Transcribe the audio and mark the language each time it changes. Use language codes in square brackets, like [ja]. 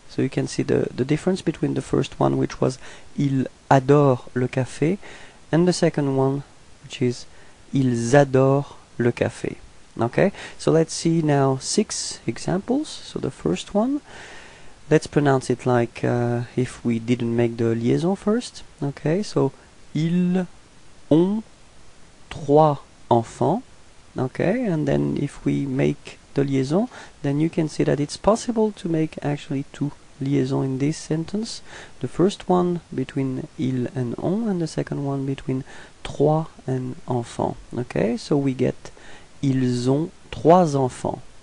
[en] So you can see the difference between the first one, which was [fr] il adore le café, [en] and the second one, which is [fr] ils adorent le café. [en] Okay, so let's see now six examples. So the first one, let's pronounce it like if we didn't make the liaison first. Okay, so [fr] ils ont trois enfants. [en] Okay, and then if we make the liaison, then you can see that it's possible to make actually two liaisons in this sentence. The first one between il and on, and the second one between trois and enfant. Okay, so we get [fr] ils ont trois enfants.